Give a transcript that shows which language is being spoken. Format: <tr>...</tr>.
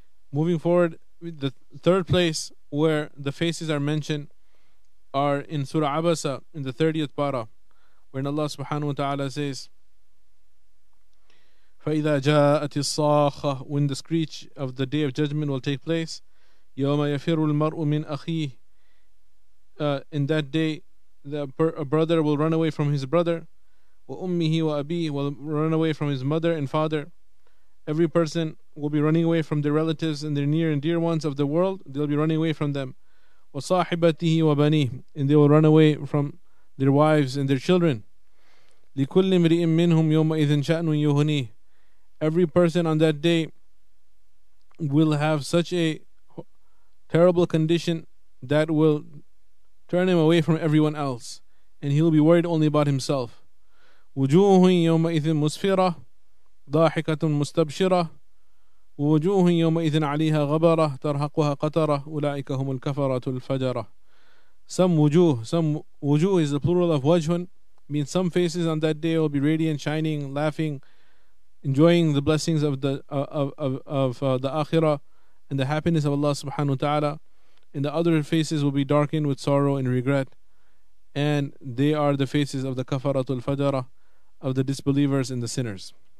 <en>Moving forward, the third place where the faces are mentioned are in Surah Abasa, in the 30th para, when Allah subhanahu wa ta'ala says,</en> <ar>فَإِذَا جَاءَتِ الصَّاخَةُ,</ar> <en>when the screech of the Day of Judgment will take place,</en> <ar>يَوْمَ يَفِرُّ الْمَرْءُ مِنْ أَخِيهِ,</ar> <en>in that day, a brother will run away from his brother,</en> <ar>وأمه وأبيه</ar> <en>will run away from his mother and father. Every person will be running away from their relatives and their near and dear ones of the world. They'll be running away from them.</en> <ar>وصاحبته وبنيه,</ar> <en>and they will run away from their wives and their children.</en> <ar>لكل امرئ منهم يومئذ شأن يهنيه.</ar> <en>Every person on that day will have such a terrible condition that will turn him away from everyone else, and he'll be worried only about himself.</en> <ar>وجوه يومئذ مسفرة ضاحكة مستبشرة ووجوه يومئذ عليها غبرة ترهقها قترة أولئك هم الكفرة الفجرة.</ar> <en>Some wujuh is the plural of wajhun, means some faces on that day will be radiant, shining, laughing, enjoying the blessings of the akhirah and the happiness of Allah subhanahu wa ta'ala, and the other faces will be darkened with sorrow and regret, and they are the faces of the kafaratul fajara, of the disbelievers and the sinners.</en>